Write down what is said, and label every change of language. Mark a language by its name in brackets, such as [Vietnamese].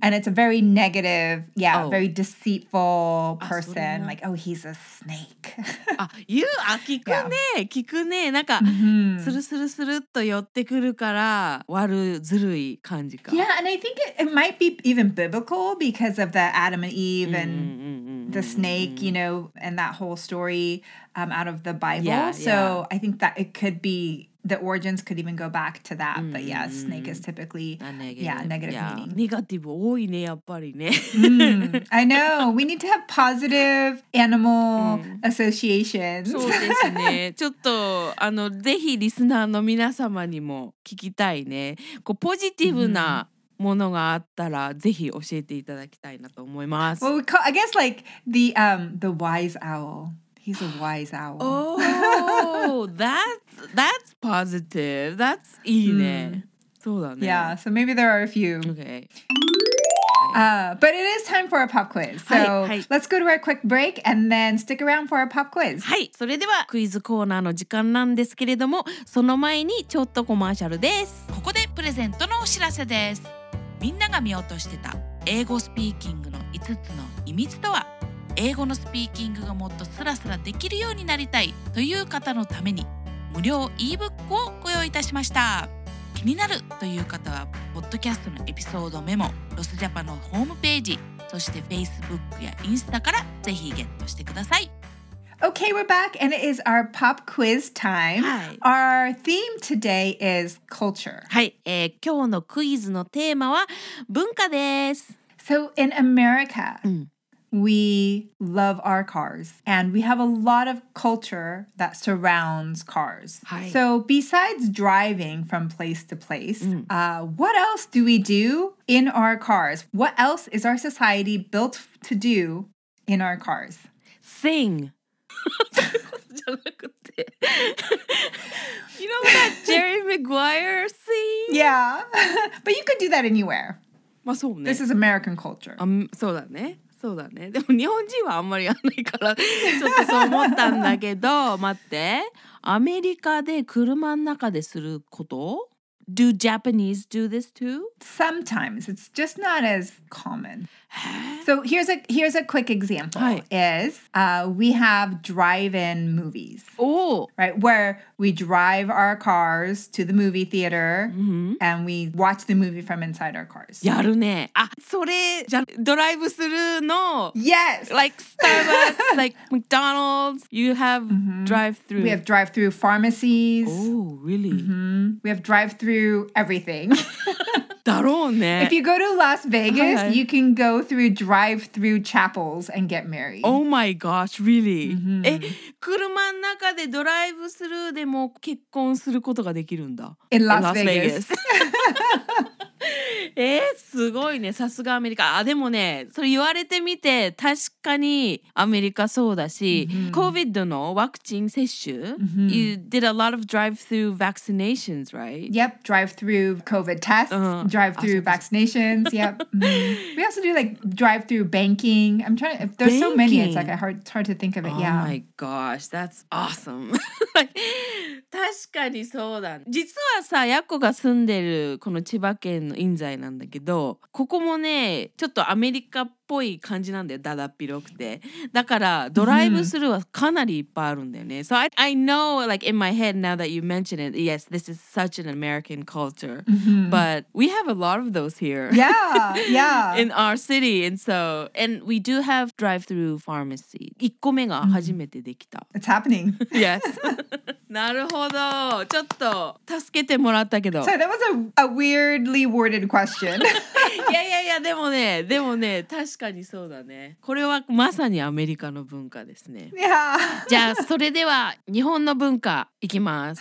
[English] And it's a very negative, yeah, very deceitful person. Like, oh, he's a snake. [Japanese] You, あ、聞くね、聞くね。なんか、スルスルスルっと寄ってくるから、悪い、ずるい感じか。 [English] Yeah, and I think it might be even biblical because of the Adam and Eve and the snake, you know, and that whole story out of the Bible. Yeah, so yeah. I think that it could be... The origins could even go back to that. But yeah, snake is typically negative meaning. [Japanese] Negative 多いね、やっぱりね。 [English] I know. We need to have positive animal associations. [Japanese] そうですね。ちょっと、あの、ぜひリスナーの皆様にも聞きたいね。こう、ポジティブなものがあったら、ぜひ教えていただきたいなと思います。 [English] Well, I guess like the wise owl. He's a wise owl. Oh, that's positive. That's [Japanese] いいね。そうだね。 [English] Yeah, so maybe there are a few. Okay. But it is time for a pop quiz. So let's go to our quick break and then stick around for a pop quiz. [Japanese] はい、それではクイズコーナーの時間なんですけれども、その前にちょっとコマーシャルです。ここでプレゼントのお知らせです。みんなが見落としてた英語スピーキングの5つの秘密とは英語のスピーキングがもっとスラスラできるようになりたいという方のために無料 e-book をご用意いたしました。気になるという方はポッドキャストのエピソードメモ、ロスジャパのホームページ、そして Facebook やインスタからぜひゲットしてください。 [English] Okay, we're back and it is our pop quiz time、 [Japanese] はい、 [English] Our theme today is culture. [Japanese] はい、今日のクイズのテーマは文化です。 [English] So in America、We love our cars and we have a lot of culture that surrounds cars. Hi. So besides driving from place to place, what else do we do in our cars? What else is our society built to do in our cars? Sing. You know that Jerry Maguire scene? Yeah, but you could do that anywhere. [Japanese] まあそうね。 [English] This is American culture. [Japanese] そうだね。そうだね。でも日本人はあんまりやらないからちょっとそう思ったんだけど、待って。アメリカで車の中ですること？ [English] Do Japanese do this too? Sometimes. It's just not as common. So here's a quick example. [Japanese] はい。 [English] Is we have drive-in movies. Oh. Right, where we drive our cars to the movie theater mm-hmm. and we watch the movie from inside our cars. [Japanese] やるね。あ、それじゃドライブするの。 [English] Yes. Like Starbucks, like McDonald's, you have mm-hmm. drive-through. We have drive-through pharmacies. Oh, really? Mm-hmm. We have drive-through everything. [Japanese] だろうね。 [English] If you go to Las Vegas, you can go through drive-through chapels and get married. Oh my gosh, really? Mm-hmm. [Japanese] え、車の中でドライブスルーでも結婚することができるんだ。 [English] In Las Vegas. [Japanese] え、すごいね。さすがアメリカ。あ、でもね、それ言われてみて、確かにアメリカそうだし、mm-hmm. COVID のワクチン接種、 mm-hmm. [English] You did a lot of drive-through vaccinations, right? Yep, drive-through COVID tests,、uh-huh. drive-through vaccinations, yep. Mm-hmm. We also do like drive-through banking. I'm trying to, if there's、banking. So many, it's hard to think of it, oh yeah. Oh my gosh, that's awesome. [Japanese] 確かにそうだ。実はさ、ヤコが住んでるこの千葉県の印西なんだけど、ここもね、ちょっとアメリカっぽい感じなんだよ、だだっぴろくて。だからドライブスルーはかなりいっぱいあるんだよね。 [English] So I know, like in my head now that you mention it, yes, this is such an American culture. But we have a lot of those here. Yeah, yeah. In our city, and we do have drive-through pharmacy. [Japanese] 1個目が初めてできた。 [English] It's happening. [Japanese] Yes. なるほど。ちょっと助けてもらったけど。 [English] So that was a weirdly worded question. [Japanese] いやいやいや、でもね、でもね、確かにそうだね。これはまさにアメリカの文化ですね。いや。じゃあそれでは日本の文化いきます。